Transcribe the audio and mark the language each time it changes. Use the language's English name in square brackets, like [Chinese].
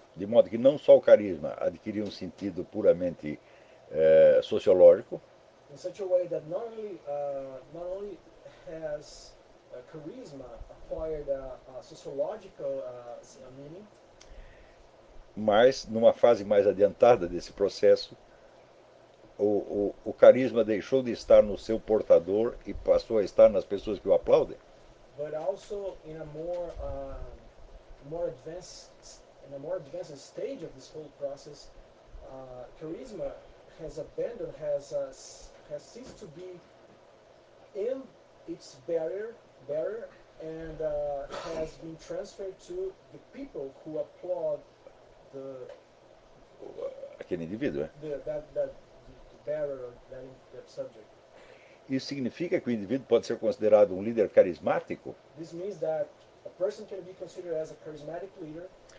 [Portuguese] De modo que não só o carisma adquiriu um sentido puramente sociológico. [English] In such a way that not only has charisma acquired a sociological meaning, [Portuguese] mas numa fase mais adiantada desse processo, o carisma deixou de estar no seu portador e passou a estar nas pessoas que o aplaudem. [English] But also in a more advanced stage of this whole process, charisma has ceased to be in its bearer and has been transferred to the people who applaud the [Portuguese] aquele indivíduo, [English] that that subject. [Portuguese] Isso significa que o indivíduo pode ser considerado um líder carismático? [English] This means that a person can be considered as a charismatic leader,